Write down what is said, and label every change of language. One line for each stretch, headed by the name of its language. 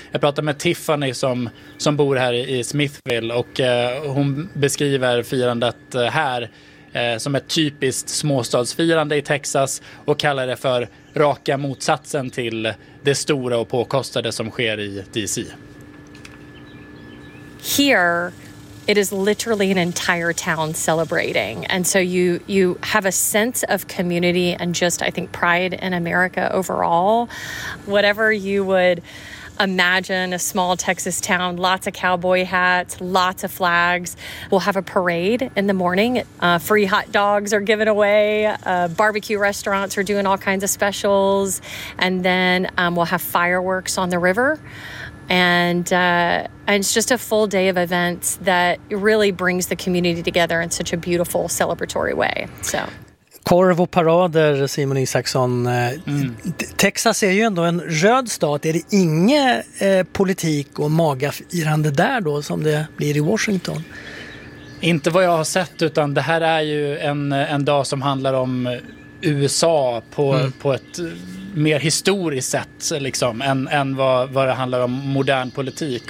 Swedish: Jag pratade med Tiffany som bor här i Smithville, och hon beskriver firandet här som ett typiskt småstadsfirande i Texas och kallar det för raka motsatsen till det stora och påkostade som sker i DC.
English: Here it is literally an entire town celebrating, and so you have a sense of community and just, I think, pride in America overall. Whatever you would imagine, a small Texas town, lots of cowboy hats, lots of flags. We'll have a parade in the morning. Free hot dogs are given away. Barbecue restaurants are doing all kinds of specials. And then we'll have fireworks on the river. And it's just a full day of events that really brings the community together in such a beautiful celebratory way. So.
Swedish: Korv och parader, Simon Isaksson. Mm. Texas är ju ändå en röd stat. Är det ingen politik och magafirande där då som det blir i Washington? Inte vad jag har sett, utan det här är ju en dag som handlar om USA på ett mer historiskt sätt liksom, än vad det handlar om modern politik.